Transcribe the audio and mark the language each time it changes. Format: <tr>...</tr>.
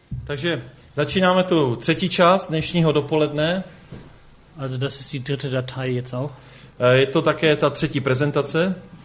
<cs>Takže začínáme tu třetí část dnešního dopoledne.</cs> <de>Also das ist die dritte Datei jetzt auch.</de> <cs>Je to také ta třetí prezentace.</cs>